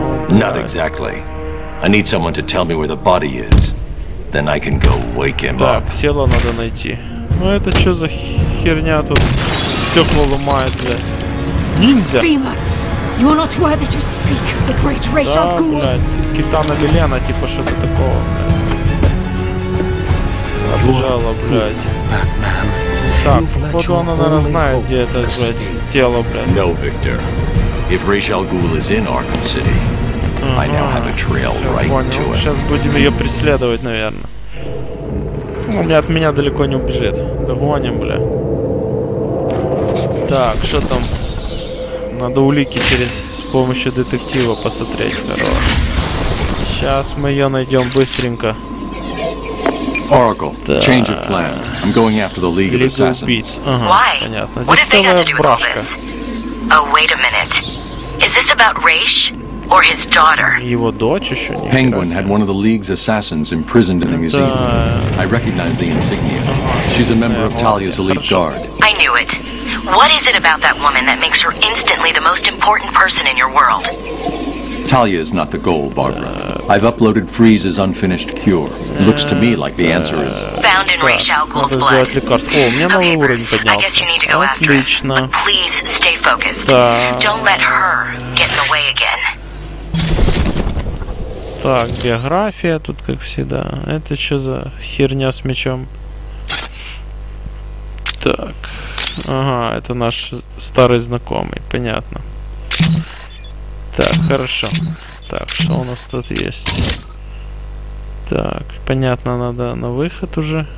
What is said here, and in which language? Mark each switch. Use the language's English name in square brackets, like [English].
[English] Not exactly. I need someone to tell me where the body is. Then I can go wake him [Russian] так, [English] up. [Russian] Тело надо найти. Ну это что за херня тут? Стекло ломает, блядь. Ниндзя! [English] Сфима, ты не worthy to speak of the great Ra's al Ghul. [Russian] Да, блядь, Китана Белена, типа что-то такого, блядь. Отжало, блядь. Так, походу она, наверное, знает, где это, блядь, тело, блядь. [English] No, Victor. If Ra's al Ghul is in Arkham City, I now have a trail right to it. [Russian] Сейчас будем ее преследовать, наверное. Он от меня далеко не убежит. Догоним, бля. Так, что там? Надо улики через с помощью детектива посмотреть, хорош. Сейчас мы ее найдем быстренько. [English] Oracle, [Russian] так. [English] Change of plan. I'm going after the League of Assassins. [Russian] Ага, [English] why? [Russian] Понятно. [English] What have they got to do with all this? Oh, wait a minute. Is this about Ra's? Or his daughter. [Russian] Его дочь еще не. [English] Penguin had one of the League's assassins imprisoned in the museum. I recognize the insignia. She's a member of Talia's elite guard. I knew it. What is it about that woman that makes her instantly the most important person in your world? Talia is not the goal, Barbara. I've uploaded Freeze's unfinished cure. Looks to me like the answer is found in Ra's al Ghul's blood. [Russian] Лекарство. О, у меня новый уровень поднялся. Отлично. [English] Please stay focused. Don't let her get in the way again. [Russian] Так, биография тут, как всегда. Это что за херня с мечом? Так. Ага, это наш старый знакомый, понятно. Так, хорошо. Так, что у нас тут есть? Так, понятно, надо на выход уже.